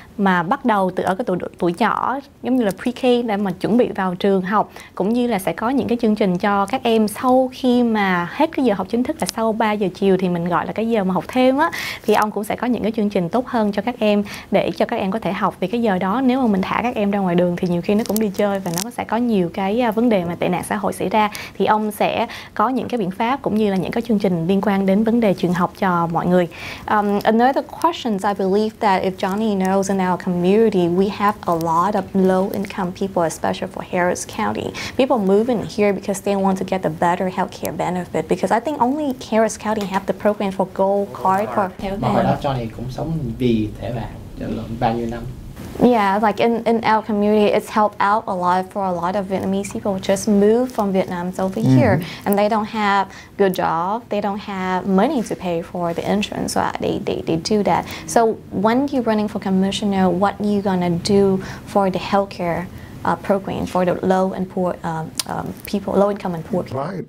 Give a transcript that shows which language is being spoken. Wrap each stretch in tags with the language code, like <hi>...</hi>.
<vi>mà bắt đầu từ ở cái tuổi nhỏ giống như là pre-K để mà chuẩn bị vào trường học, cũng như là sẽ có những cái chương trình cho các em sau khi mà hết cái giờ học chính thức, là sau 3 giờ chiều thì mình gọi là cái giờ mà học thêm á, thì ông cũng sẽ có những cái chương trình tốt hơn cho các em để cho các em có thể học. Vì cái giờ đó nếu mà mình thả các em ra ngoài đường thì nhiều khi nó cũng đi chơi và nó sẽ có nhiều cái vấn đề mà tệ nạn xã hội xảy ra, thì ông sẽ có những cái biện pháp cũng như là những cái chương trình liên quan đến vấn đề trường học cho mọi người.</vi> <en>Another questions, I believe that if Johnny knows in our community, we have a lot of low-income people, especially for Harris County. People move in here because they want to get the better healthcare benefit, because I think only Harris County have the program for gold card for health.</en> <vi>Mà hồi đó Johnny cũng sống vì thẻ vàng.</vi> <en>Yeah, like in our community, it's helped out a lot for a lot of Vietnamese people who just moved from Vietnam over here, and they don't have good job, they don't have money to pay for the insurance, so they do that. So when you're running for commissioner, what are you gonna do for the healthcare program for the low and poor people, low income and poor people?</en>